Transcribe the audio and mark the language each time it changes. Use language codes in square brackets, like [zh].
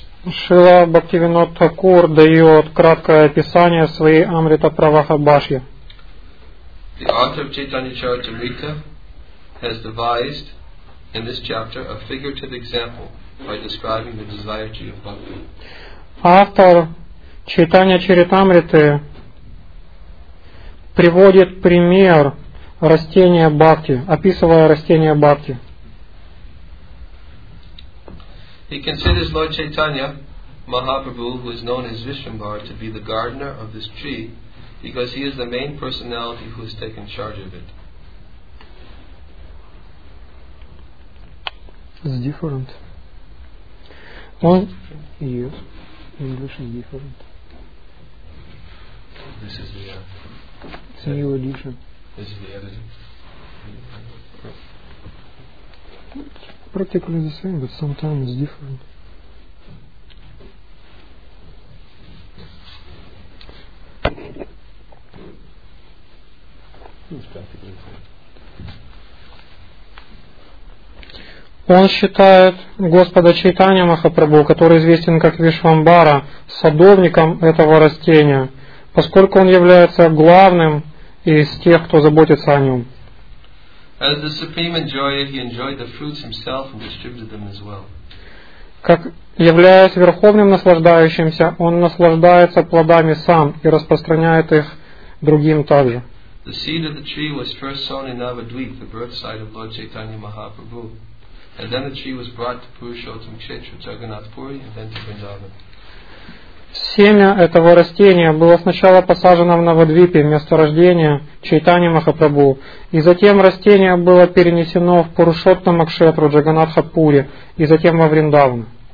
[ru] Шрила Бхактивинод Такур дает краткое описание своей Амрита Праваха Башья. [en] The author of Chaitanya Charitamrita has devised in this chapter a figurative example by describing the desire tree of Bhakti. [ru] Автор Чайтанья Чаритамриты приводит пример растения Бхакти, описывая растение Бхакти. [en] He considers Lord Chaitanya Mahaprabhu, who is known as Vishwambhar, to be the gardener of this tree because he is the main personality who has taken charge of it. It's different. Well, yes, English is different. This is the It's a new edition. This is the editing. Practically the same, but sometimes it's different. [ru] Он считает Господа Чайтанья Махапрабху, который известен как Вишвамбара, садовником этого растения, поскольку он является главным из тех, кто заботится о нем. [en] As the supreme enjoyer, he enjoyed the fruits himself and distributed them as well. [ru] Как являясь верховным наслаждающимся, он наслаждается плодами сам и распространяет их другим также. [en] The seed of the tree was first sown in Navadvipa, the birth site of Lord Chaitanya Mahaprabhu, and then the tree was brought to Purushottam Kshetra, Jagannath Puri, and then to Vrindavan. [ru] Семя этого растения было сначала посажено в Навадвипе, место рождения Чайтани Махапрабху, и затем растение было перенесено в Пурушотта Макшетру Джаганатха Пури, и затем во Вриндаван.